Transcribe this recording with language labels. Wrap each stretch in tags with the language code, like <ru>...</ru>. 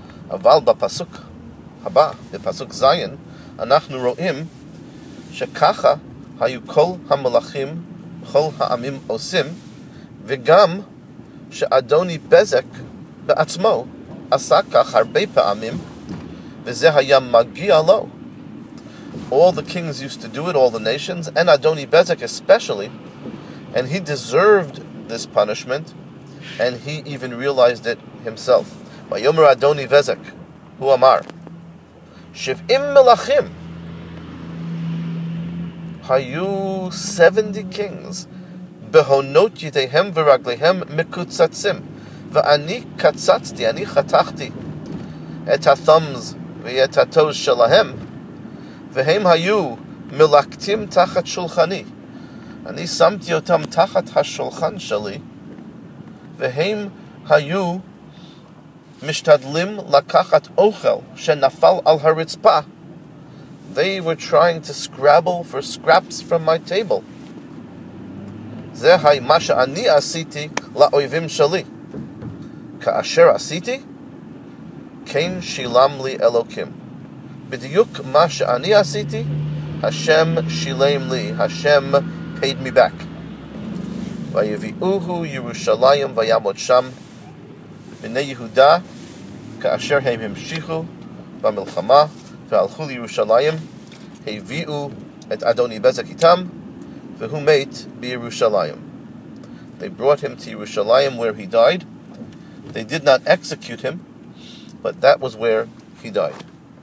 <he>אבל בפסוק הבא, בפסוק זיין, אנחנו רואים שככה היו כל המלאכים, כל העמים עושים, וגם שאדוני בזק בעצמו עשה כך הרבה פעמים, וזה היה מגיע לו.</he> <en>All the kings used to do it, all the nations, and Adoni Bezek especially, and he deserved this punishment, and he even realized it himself.</en> <he>Vayomer Adoni Bezek, who amar, Shiv'im melachim, hayu 70 kings, behonot yideihem v'raglihem mekutzatzim, v'ani katzatzti, ani chatachti, et ha-thumbs v'et ha-toes shelahem, והם היו מלקטים תחת שולחני. אני שמתי אותם תחת השולחן שלי, והם היו משתדלים לקחת אוכל שנפל על הרצפה.</he> <en>They were trying to scrabble for scraps from my table.</en> <he>זה מה שאני עשיתי לאויבים שלי. כאשר עשיתי, כן שילם לי אלוקים. בדיוק מה שאני עשיתי, השם שילם לי, השם</he> <en>paid me back.</en> <he>ויביאוהו ירושלים ויעמוד שם בני יהודה, כאשר הם המשיכו במלחמה והלכו לירושלים, הביאו את אדוני בזק איתם, והוא מת בירושלים.</he> <en>They brought him to Jerusalem where he died. They did not execute him, but that was where he died.</en>